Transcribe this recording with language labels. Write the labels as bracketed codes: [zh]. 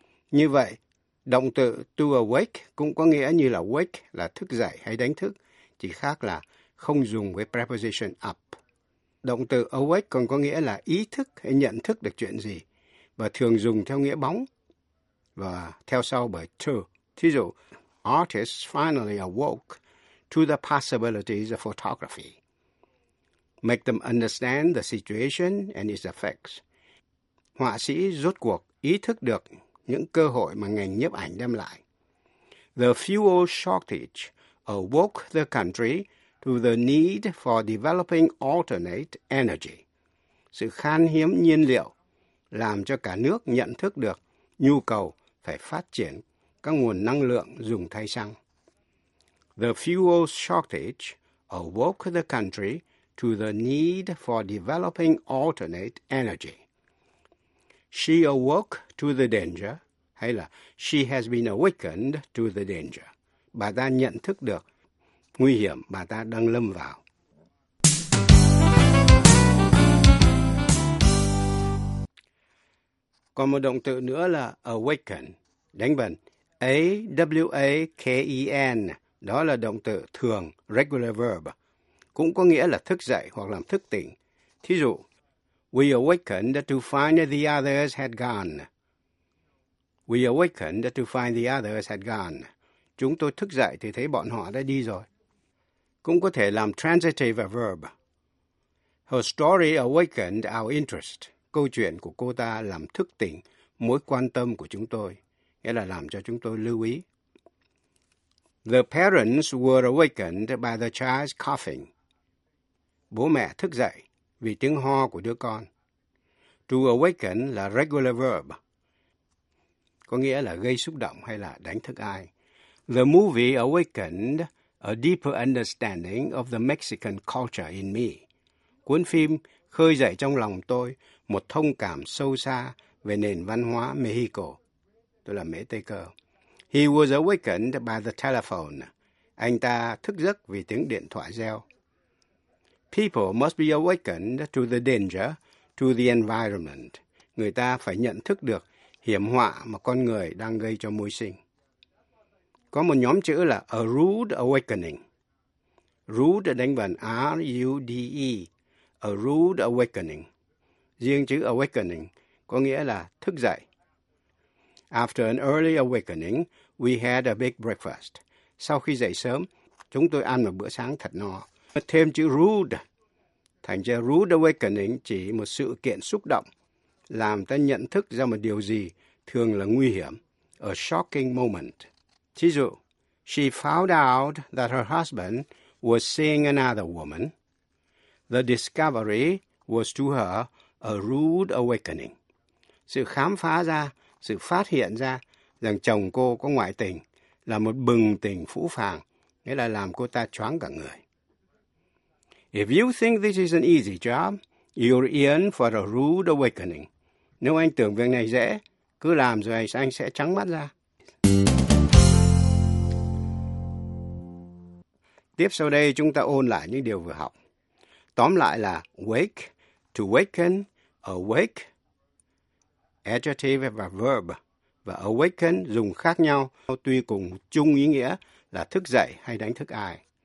[vi] Như vậy, động từ to awake cũng có nghĩa như là wake là thức dậy hay đánh thức, chỉ khác là không dùng với preposition up. Động từ awake còn có nghĩa là ý thức hay nhận thức được chuyện gì và thường dùng theo nghĩa bóng. Và theo sau bởi to. Thí dụ, [en] artists finally awoke to the possibilities of photography. Make them understand the situation and its effects. [vi] Họa sĩ rốt cuộc ý thức được những cơ hội mà ngành nhiếp ảnh đem lại. [en] The fuel shortage awoke the country to the need for developing alternate energy. [vi] Sự khan hiếm nhiên liệu làm cho cả nước nhận thức được nhu cầu phải phát triển các nguồn năng lượng dùng thay xăng. [en] The fuel shortage awoke the country to the need for developing alternate energy. She awoke to the danger, [vi] hay là [en] she has been awakened to the danger. [vi] Bà ta nhận thức được nguy hiểm bà ta đang lâm vào. Còn một động từ nữa là awaken. Đánh vần, A-W-A-K-E-N, đó là động từ thường, regular verb, cũng có nghĩa là thức dậy hoặc làm thức tỉnh. Thí dụ, [en] we awakened to find the others had gone. We awakened to find the others had gone. [vi] Chúng tôi thức dậy thì thấy bọn họ đã đi rồi. Cũng có thể làm transitive verb. [en] Her story awakened our interest. [vi] Câu chuyện của cô ta làm thức tỉnh mối quan tâm của chúng tôi. Nghĩa là làm cho chúng tôi lưu ý. [en] The parents were awakened by the child's coughing. [vi] Bố mẹ thức dậy vì tiếng ho của đứa con. To awaken là regular verb, có nghĩa là gây xúc động hay là đánh thức ai. [en] The movie awakened a deeper understanding of the Mexican culture in me. [vi] Cuốn phim khơi dậy trong lòng tôi một thông cảm sâu xa về nền văn hóa Mexico. Tôi là Mễ Tây Cơ. [en] He was awakened by the telephone. [vi] Anh ta thức giấc vì tiếng điện thoại reo. [en] People must be awakened to the danger to the environment. [vi] Người ta phải nhận thức được hiểm họa mà con người đang gây cho môi sinh. Có một nhóm chữ là a rude awakening. Rude đánh vần R-U-D-E. A rude awakening. Riêng chữ awakening có nghĩa là thức dậy. [en] After an early awakening, we had a big breakfast. [vi] Sau khi dậy sớm, chúng tôi ăn một bữa sáng thật no. mất thêm chữ rude. Thành ra rude awakening chỉ một sự kiện xúc động, làm ta nhận thức ra một điều gì thường là nguy hiểm, [en] a shocking moment. [vi] Thí dụ, [en] she found out that her husband was seeing another woman. The discovery was to her a rude awakening. [vi] Sự khám phá ra, sự phát hiện ra rằng chồng cô có ngoại tình là một bừng tình phũ phàng, nghĩa là làm cô ta choáng cả người. [en] If you think this is an easy job, you're in for a rude awakening. [vi] Nếu anh tưởng việc này dễ, cứ làm rồi anh sẽ trắng mắt ra. Tiếp sau đây chúng ta ôn lại những điều vừa học. Tóm lại là wake, to waken, awake, adjective và verb, và awaken dùng khác nhau tuy cùng chung ý nghĩa là thức dậy hay đánh thức ai.